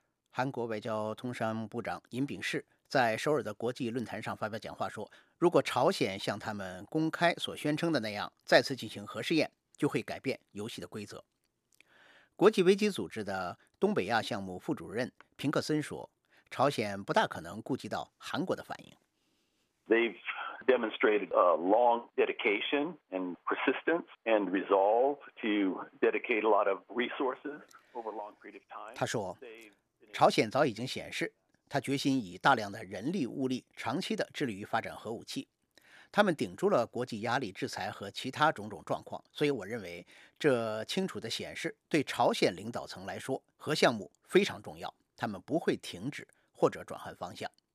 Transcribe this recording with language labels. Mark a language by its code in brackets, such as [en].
[zh] 韩国外交通商部长尹炳世在首尔的国际论坛上发表讲话说，如果朝鲜像他们公开所宣称的那样再次进行核试验，就会改变游戏的规则。国际危机组织的东北亚项目副主任平克森说，朝鲜不大可能顾及到韩国的反应。 [en] Demonstrated a long dedication and persistence and resolve to dedicate a lot of resources over a long period of time. [zh] 他说，朝鲜早已经显示，他决心以大量的人力物力长期的致力于发展核武器。他们顶住了国际压力、制裁和其他种种状况，所以我认为这清楚的显示，对朝鲜领导层来说，核项目非常重要，他们不会停止或者转换方向。